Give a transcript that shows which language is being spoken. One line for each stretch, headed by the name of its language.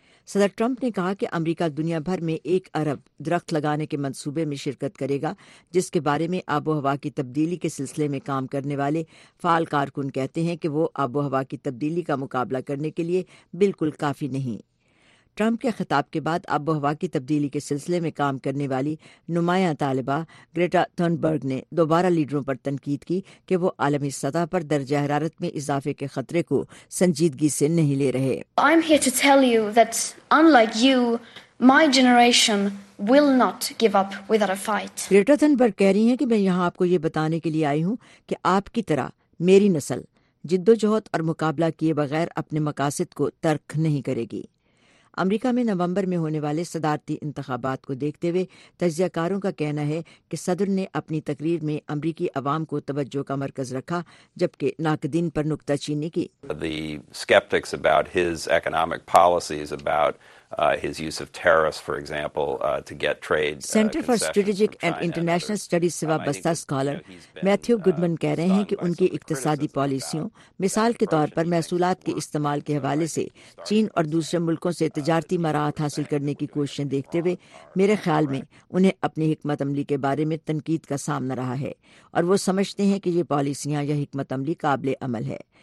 Urdu: صدر ٹرمپ نے کہا کہ امریکہ دنیا بھر میں 1 ارب درخت لگانے کے منصوبے میں شرکت کرے گا، جس کے بارے میں آب و ہوا کی تبدیلی کے سلسلے میں کام کرنے والے فعال کارکن کہتے ہیں کہ وہ آب و ہوا کی تبدیلی کا مقابلہ کرنے کے لیے بالکل کافی نہیں۔ ٹرمپ کے خطاب کے بعد آب و ہوا کی تبدیلی کے سلسلے میں کام کرنے والی نمایاں طالبہ گریٹا تھنبرگ نے دوبارہ لیڈروں پر تنقید کی کہ وہ عالمی سطح پر درجہ حرارت میں اضافے کے خطرے کو سنجیدگی سے نہیں لے رہے۔
English: I'm here to tell you that unlike you, my generation will not give up without a fight.
Urdu: Greta Thunberg کہہ رہی ہیں کہ میں یہاں آپ کو یہ بتانے کے لیے آئی ہوں کہ آپ کی طرح میری نسل جدوجہد اور مقابلہ کیے بغیر اپنے مقاصد کو ترک نہیں کرے گی۔ امریکہ میں نومبر میں ہونے والے صدارتی انتخابات کو دیکھتے ہوئے تجزیہ کاروں کا کہنا ہے کہ صدر نے اپنی تقریر میں امریکی عوام کو توجہ کا مرکز رکھا، جبکہ ناقدین پر نکتہ چینی کی۔
English: The skeptics about his economic policies, about his use of tariffs, for example, to get trade
Urdu: centre for strategic and international studies سے وابستہ اسکالر میتھیو گڈمن کہہ رہے ہیں کہ ان کی اقتصادی پالیسیوں، مثال کے طور پر محصولات کے استعمال کے حوالے سے چین اور دوسرے ملکوں سے تجارتی مراحت حاصل کرنے کی کوششیں دیکھتے ہوئے، میرے خیال میں انہیں اپنی حکمت عملی کے بارے میں تنقید کا سامنا رہا ہے، اور وہ سمجھتے ہیں کہ یہ پالیسیاں یا حکمت عملی قابل عمل ہے۔